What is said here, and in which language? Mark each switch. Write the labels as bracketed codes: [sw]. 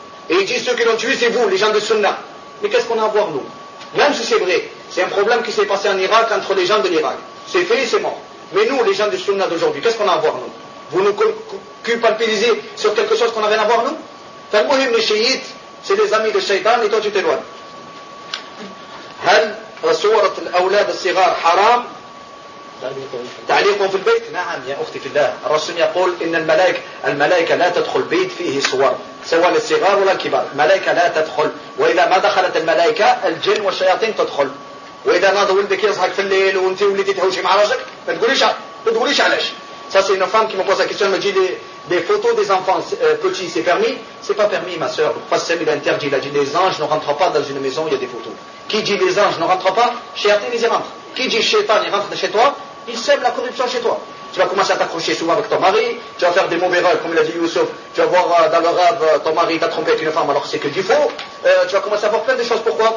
[fr] Et ils disent, ceux qui l'ont tué, c'est vous, les gens de Sunna. Mais qu'est-ce qu'on a à voir, nous? Même si c'est vrai, c'est un problème qui s'est passé en Irak entre les gens de l'Irak. C'est fait, c'est mort. Mais nous, les gens de Sunna d'aujourd'hui, qu'est-ce qu'on a à voir, nous? Vous nous culpabilisez sur quelque chose qu'on n'a rien à voir, nous? Fais-moi les chiites, c'est les amis de Shaitan, et toi tu t'éloignes. [ar] صورة الأولاد الصغار حرام تعليقهم في البيت؟ نعم يا أختي في الله، الرسول يقول إن الملائكة لا تدخل بيت فيه صور، سواء للصغار ولا الكبار، الملائكة لا تدخل، وإذا ما دخلت الملائكة الجن والشياطين تدخل. وإذا ناض ولدك يصحك في الليل وانت ولدي تهوشي مع راجلك، ما تقوليش علاش. [fr] سي une femme qui me pose la question, me dit des photos des enfants petits, c'est permis? C'est pas permis, ma soeur. Fassem, il a interdit. Il a dit les anges ne rentrent pas dans une maison où il y a des photos. Qui dit les anges ne rentrent pas? Shayatin, ils y rentrent. Qui dit Shaytan, il rentre chez toi? Il sème la corruption chez toi. Tu vas commencer à t'accrocher souvent avec ton mari, tu vas faire des mauvais rêves, comme l'a dit Youssouf, tu vas voir dans le rêve ton mari t'a trompé avec une femme alors que c'est que du faux. Tu vas commencer à voir plein de choses. Pourquoi?